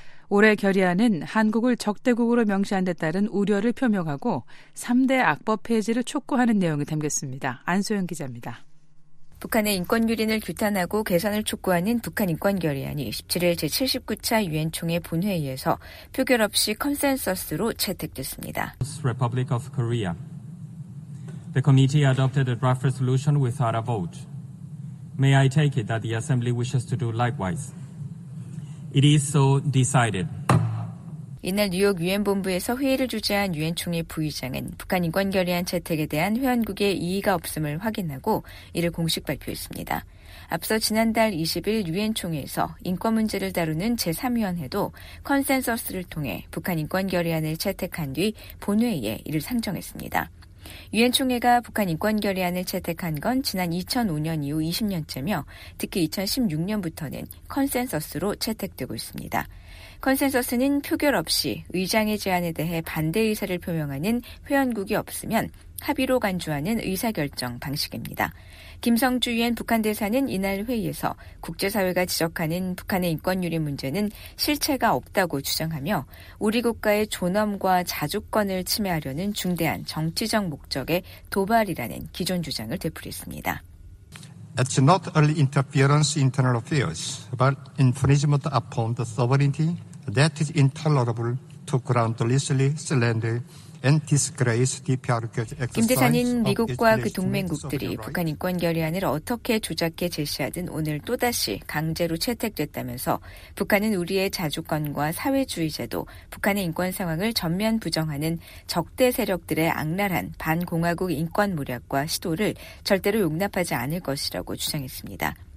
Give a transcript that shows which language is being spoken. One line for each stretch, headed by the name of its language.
Korean: 올해 결의안은 한국을 적대국으로 명시한 데 따른 우려를 표명하고 3대 악법 폐지를 촉구하는 내용이 담겼습니다. 안소영 기자입니다. 북한의 인권 유린을 규탄하고 개선을 촉구하는 북한 인권 결의안이 17일 제79차 유엔 총회 본회의에서 표결 없이 컨센서스로 채택됐습니다.
English: Republic of Korea. The committee adopted a draft resolution without a vote. May I take it that the assembly wishes to do likewise? It is so decided.
Korean: 이날 뉴욕 유엔 본부에서 회의를 주재한 유엔 총회 부의장은 북한 인권 결의안 채택에 대한 회원국의 이의가 없음을 확인하고 이를 공식 발표했습니다. 앞서 지난달 20일 유엔 총회에서 인권 문제를 다루는 제3위원회도 컨센서스를 통해 북한 인권 결의안을 채택한 뒤 본회의에 이를 상정했습니다. 유엔 총회가 북한 인권 결의안을 채택한 건 지난 2005년 이후 20년째며 특히 2016년부터는 컨센서스로 채택되고 있습니다. 컨센서스는 표결 없이 의장의 제안에 대해 반대 의사를 표명하는 회원국이 없으면 합의로 간주하는 의사결정 방식입니다. 김성주 유엔 북한 대사는 이날 회의에서 국제사회가 지적하는 북한의 인권유린 문제는 실체가 없다고 주장하며 우리 국가의 존엄과 자주권을 침해하려는 중대한 정치적 목적의 도발이라는 기존 주장을 되풀이했습니다.
English: It's not only interference in internal affairs, but infringement upon the sovereignty that is intolerable to groundlessly slander and disgrace the PRK's exercise.
Korean: 김 대사는 미국과 그 동맹국들이 북한 인권 결의안을 어떻게 조작해 제시하든 오늘 또다시 강제로 채택됐다면서 북한은 우리의 자주권과 사회주의 제도, 북한의 인권 상황을 전면 부정하는 적대 세력들의 악랄한 반공화국 인권 모략과 시도를 절대로 용납하지 않을 것이라고 주장했습니다.